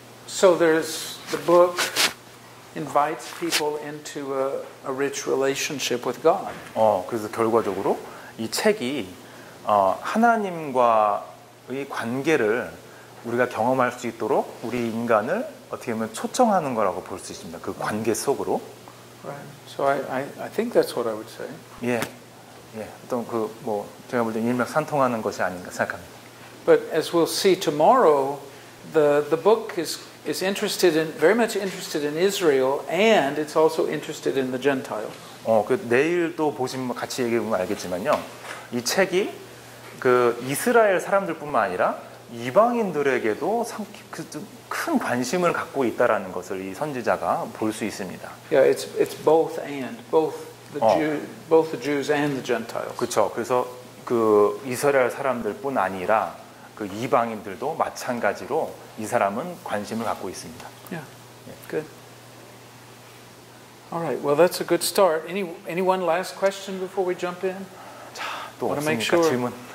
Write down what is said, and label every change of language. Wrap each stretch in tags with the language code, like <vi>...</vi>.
<en>So there's the book invites people into a rich relationship with God.</en> <ko>그래서 결과적으로 이 책이 하나님과의 관계를 우리가 경험할 수 있도록 우리 인간을 어떻게 보면 초청하는 거라고 볼 수 있습니다. 그 관계 속으로.</ko> <en>Right. So I think that's what I would say.</en> <ko>예. 어떤 그 뭐 제가 볼 때 일맥상통하는 것이 아닌가 생각합니다.</ko> <en>But as we'll see tomorrow, the book is interested in very much interested in Israel and it's also interested in the Gentiles.</en> <ko>그 내일 또 보시면 같이 얘기해 보면 알겠지만요. 이 책이 그 이스라엘 사람들뿐만 아니라 이방인들에게도 큰 관심을 갖고 있다라는 것을 이 선지자가 볼 수 있습니다.</ko> <en>Yeah, it's both and both the both the Jews and the Gentiles.</en> <ko>그렇죠. 그래서 그 이스라엘 사람들뿐 아니라 그 이방인들도 마찬가지로 이 사람은 관심을 갖고 있습니다.</ko> <en>Yeah. Good. All right. Well, that's a good start. Any one last question before we jump in?</en> <ko>자, 또 없습니까? 질문.</ko>